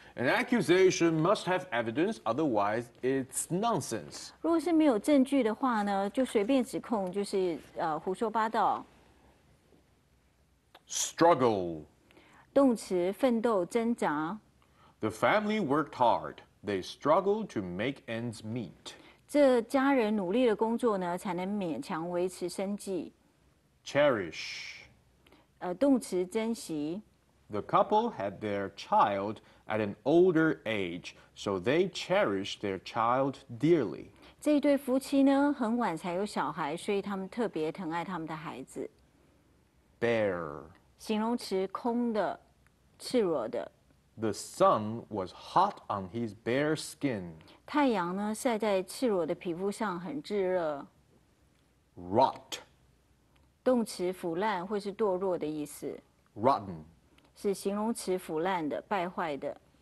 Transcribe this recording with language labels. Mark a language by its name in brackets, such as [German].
[English] An accusation must have evidence, otherwise it's nonsense. [Chinese] 如果是没有证据的话呢，就随便指控就是胡说八道。 [English] Struggle. [Chinese] 动词奋斗挣扎。 [English] The family worked hard. They struggled to make ends meet. [Chinese] 这家人努力的工作呢，才能勉强维持生计。 [English] Cherish. [Chinese] 动词珍惜。 [English] The couple had their child at an older age, so they cherished their child dearly. [Chinese] 这一对夫妻呢，很晚才有小孩，所以他们特别疼爱他们的孩子。 [English] Bare. [Chinese] 形容词空的，赤裸的。 [English] The sun was hot on his bare skin. [Chinese] 太阳呢晒在赤裸的皮肤上很炙热。 [English] Rot. [Chinese] 动词腐烂或是堕落的意思。 [English] Rotten. [Chinese] 是形容词腐烂的败坏的。